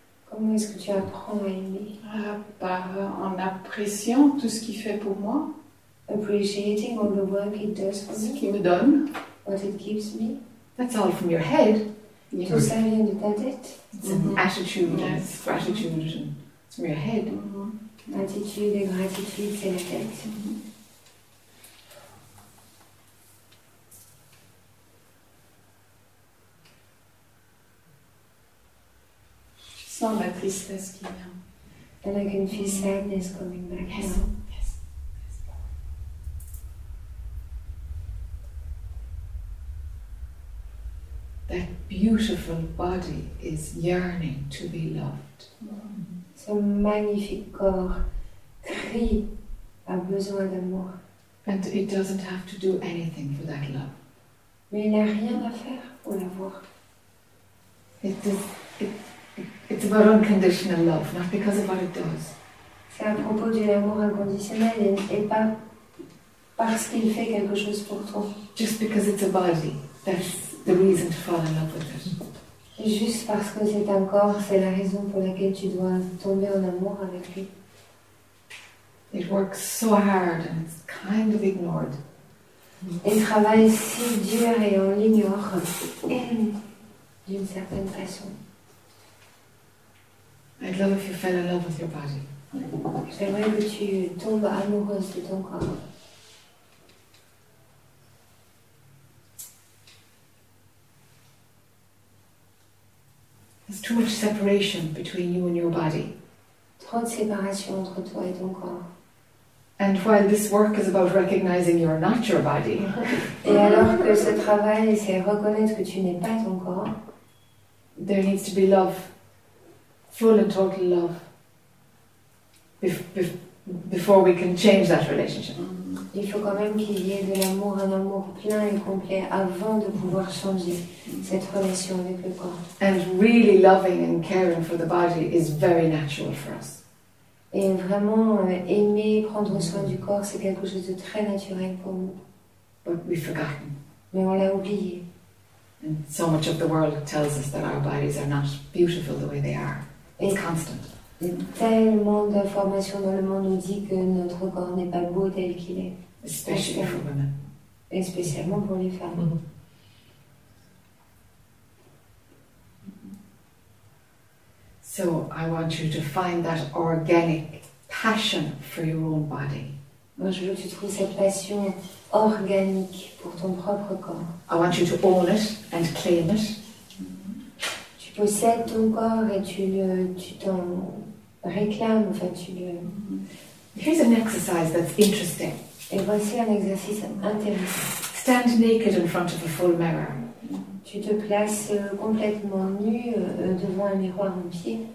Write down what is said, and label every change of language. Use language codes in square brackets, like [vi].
[fr] Comment est-ce que tu apprends à aimer? Par en appréciant tout ce qu'il fait pour moi. [en] Appreciating all the work it does for me. [fr] Ce qu'il me donne. [en] What it gives me. That's all from your head. Yes. [fr] Tout ça vient de ta tête. [en] It's an attitude. Yes. Gratitude. It's from your head. [fr] Attitude et gratitude, c'est la tête. Sans la tristesse qui vient. [en] And I can feel sadness coming back. Yes. Yes. Yes. That beautiful body is yearning to be loved. [fr] Ce magnifique corps crie, a besoin d'amour. [en] And it doesn't have to do anything for that love. [fr] Mais il n'a rien à faire pour l'avoir. [en] It's about unconditional love, not because of what it does. [fr] C'est à propos de l'amour inconditionnel et pas parce qu'il fait quelque chose pour toi. [en] Just because it's a body, that's the reason to fall in love with it. [fr] Juste parce que c'est un corps, c'est la raison pour laquelle tu dois tomber en amour avec lui. [en] It works so hard and it's kind of ignored. [fr] Elle travaille si dur et on l'ignore d'une certaine façon. [en] I'd love if you fell in love with your body. [fr] J'aimerais que tu tombes amoureuse de ton corps. [en] There's too much separation between you and your body. [fr] Trop de séparation entre toi et ton corps. [en] And while this work is about recognizing you're not your body, [fr] et alors que ce travail c'est reconnaître que tu n'es pas ton corps, [en] there needs to be love, full and total love, before we can change that relationship. [fr] Il faut quand même qu'il y ait de l'amour, un amour plein et complet avant de pouvoir changer cette relation avec le corps. [en] And really loving and caring for the body is very natural for us. [fr] Et vraiment aimer, prendre soin du corps, c'est quelque chose de très naturel pour nous. [en] But we've forgotten. [fr] Mais on l'a oublié. [en] And so much of the world tells us that our bodies are not beautiful the way they are. It's constant. [fr] Et tellement d'informations dans le monde nous dit que notre corps n'est pas beau tel qu'il est. [en] Especially for women. [fr] Et spécialement pour les femmes. Mm-hmm. [en] So I want you to find that organic passion for your own body. [fr] Moi, je veux que tu trouves cette passion organique pour ton propre corps. [en] I want you to own it and claim it. [fr] Tu possèdes ton corps et tu t'en réclames. Enfin, tu le... [en] Here's an exercise that's interesting. [fr] Et voici un exercice intéressant. [en] Stand naked in front of a full mirror. [fr] Tu te places complètement nu devant un miroir en pied.